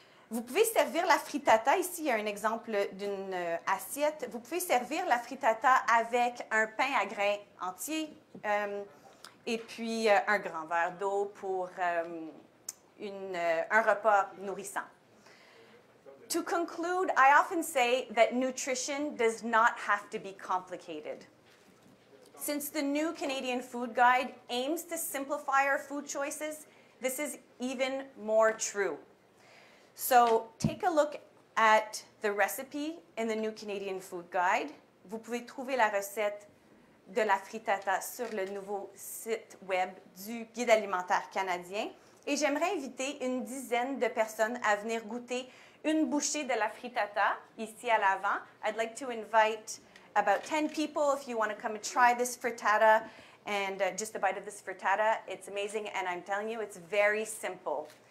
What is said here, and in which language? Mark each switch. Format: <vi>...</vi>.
<fr>Vous pouvez servir la frittata. Ici, il y a un exemple d'une assiette. Vous pouvez servir la frittata avec un pain à grains entier et puis un grand verre d'eau pour un repas nourrissant.</fr> <en>To conclude, I often say that nutrition does not have to be complicated. Since the new Canadian Food Guide aims to simplify our food choices, this is even more true. So take a look at the recipe in the new Canadian Food Guide.</en> <fr>Vous pouvez trouver la recette de la frittata sur le nouveau site web du Guide alimentaire canadien. Et j'aimerais inviter une dizaine de personnes à venir goûter une bouchée de la frittata ici à l'avant.</fr> <en>I'd like to invite about 10 people if you want to come and try this frittata and just a bite of this frittata. It's amazing and I'm telling you, it's very simple.</en>